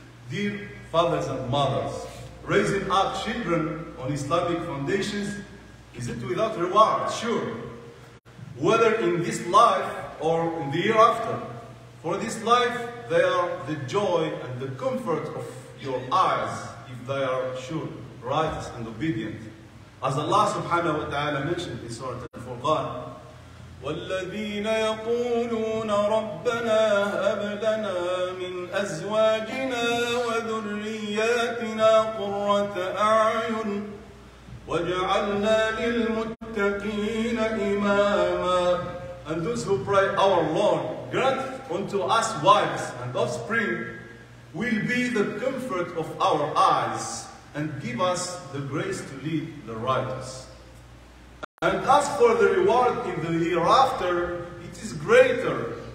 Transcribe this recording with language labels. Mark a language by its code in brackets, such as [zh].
[en] Dear fathers and mothers, raising up children on Islamic foundations, is it without reward? Sure. Whether in this life or in the hereafter, for this life, they are the joy and the comfort of your eyes, if they are sure, righteous and obedient. As Allah subhanahu wa ta'ala mentioned in Surah Al-Furqan, [ar] وَالَّذِينَ يَقُولُونَ رَبَّنَا هَبْ لَنَا مِنْ أَزْوَاجِنَا وَذُرِّيَّاتِنَا قُرَّةَ أَعْيُنٍ وَاجْعَلْنَا لِلْمُتَّقِينَ إِمَامًا. [en] And those who pray, our Lord, grant unto us wives and offspring will be the comfort of our eyes and give us the grace to lead the righteous. And as for the reward in the hereafter, it is greater.